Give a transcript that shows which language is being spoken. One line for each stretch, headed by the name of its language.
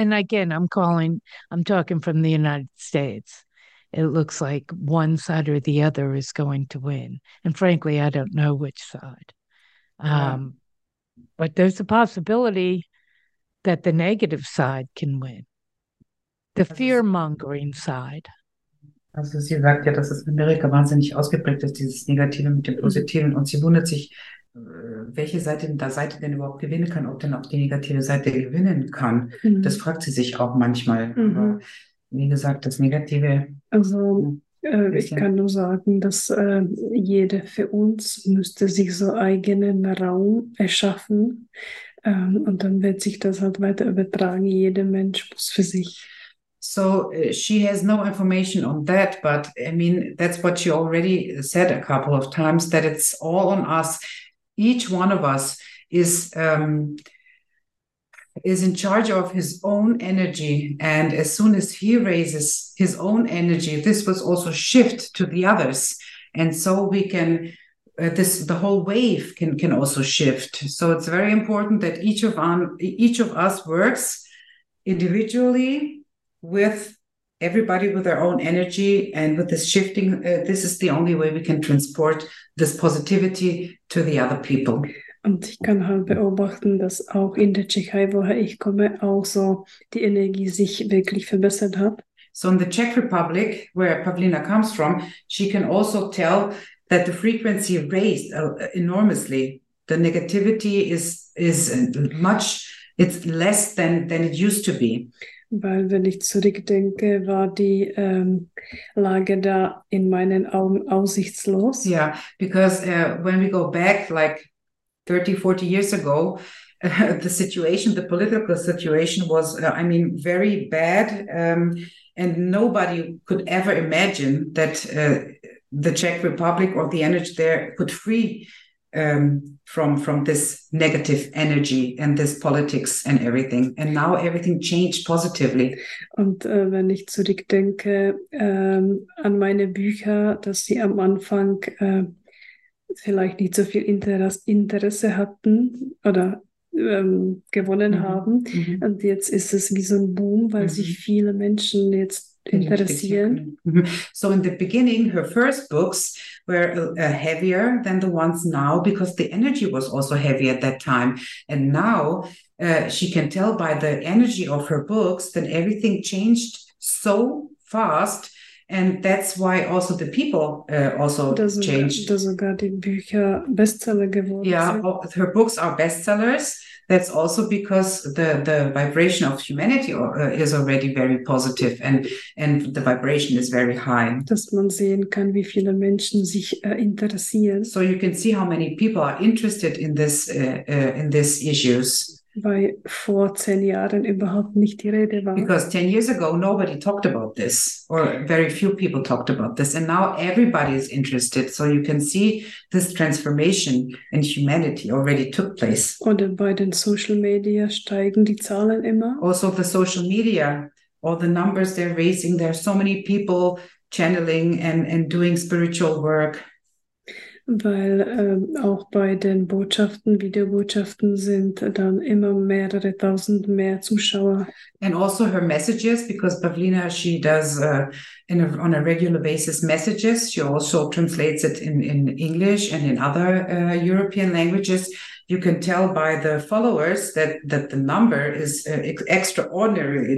English: And again, I'm talking from the United States. It looks like one side or the other is going to win. And frankly, I don't know which side. But there's a possibility that the negative side can win. The fear-mongering side.
German: Also sie sagt ja, dass es in Amerika wahnsinnig ausgeprägt ist, dieses Negative mit dem Positiven. Und sie wundert sich, welche Seite denn überhaupt gewinnen kann, ob denn auch die negative Seite gewinnen kann. Mhm. Das fragt sie sich auch manchmal. Mhm. Aber wie gesagt, das Negative. Also ich kann nur sagen, dass jeder für uns müsste sich so eigenen Raum erschaffen. Und dann wird sich das halt weiter übertragen. Jeder Mensch muss für sich.
English: So she has no information on that, but I mean, that's what she already said a couple of times, that it's all on us. Each one of us is in charge of his own energy. And as soon as he raises his own energy, this will also shift to the others. And so we can the whole wave can also shift. So it's very important that each of us works individually with everybody with their own energy and with this shifting. This is the only way we can transport this positivity to the other people.
German: Und ich kann halt beobachten, dass auch in der Tschechei, woher ich komme, auch so die Energie sich wirklich verbessert hat.
English: So in the Czech Republic, where Pavlina comes from, she can also tell that the frequency raised enormously. The negativity is less than it used to be.
German: Weil wenn ich zurückdenke, war die Lage da in meinen Augen aussichtslos.
English: Yeah, because when we go back like 30, 40 years ago, the political situation was, very bad. And nobody could ever imagine that the Czech Republic or the energy there could free from this negative energy and this politics and everything. And now everything changed positively.
German: Und wenn ich zurückdenke an meine Bücher, dass sie am Anfang vielleicht nicht so viel Interesse hatten oder gewonnen mm-hmm. haben. Mm-hmm. Und jetzt ist es wie so ein Boom, weil mm-hmm. sich viele Menschen jetzt interessieren.
English: So in the beginning, her first books were heavier than the ones now, because the energy was also heavy at that time. And now she can tell by the energy of her books that everything changed so fast. And that's why also the people changed.
German: Da sogar die Bücher Bestseller geworden
English: yeah,
German: sind.
English: Her books are bestsellers. That's also because the vibration of humanity is already very positive and the vibration is very high.
German: Dass man sehen kann, wie viele Menschen sich interessieren.
English: So you can see how many people are interested in this in these issues.
German: Weil vor 10 Jahren überhaupt nicht die Rede war.
English: Because 10 years ago, nobody talked about this, or very few people talked about this. And now everybody is interested. So you can see this transformation in humanity already took place.
German: Oder bei den Social Media steigen die Zahlen immer.
English: Also the social media, all the numbers they're raising, there are so many people channeling and doing spiritual work.
German: Weil auch bei den Botschaften, Videobotschaften sind dann immer mehrere tausend mehr Zuschauer.
English: And also her messages, because Pavlina, she does on a regular basis messages. She also translates it in English and in other European languages. You can tell by the followers that the number is extraordinary.